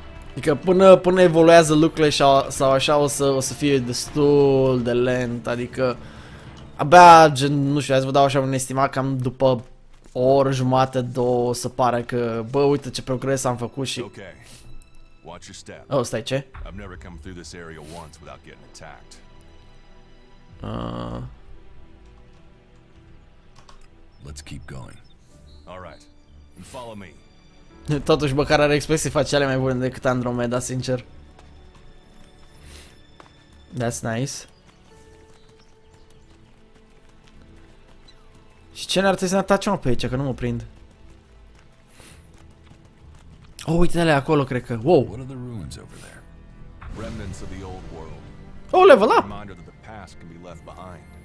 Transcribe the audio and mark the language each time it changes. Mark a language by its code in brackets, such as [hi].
[ro] Adică până evoluează lucrurile sau așa o să fie destul de lent, adică... Abia, gen, nu știu, hai să vă dau așa un estimat cam după o oră jumate, două, să pară că, bă, uite ce progres am făcut și... [en] Okay. Watch your step. [ro] Oh, stai, ce? [en] I've never come through this area once without getting attacked. Let's keep going. All right. And follow me. [ro] Totuși, măcar are expresii faciale mai bune decât Andromeda, sincer. [en] That's nice. [ro] Și ce n-ar trebui să ne atacem pe aici, că nu mă prind. Oh, uite alea acolo, cred că. Wow. [en] What are the ruins over there? Remnants of the old world. Oh, level up. Reminder that the past can be left behind.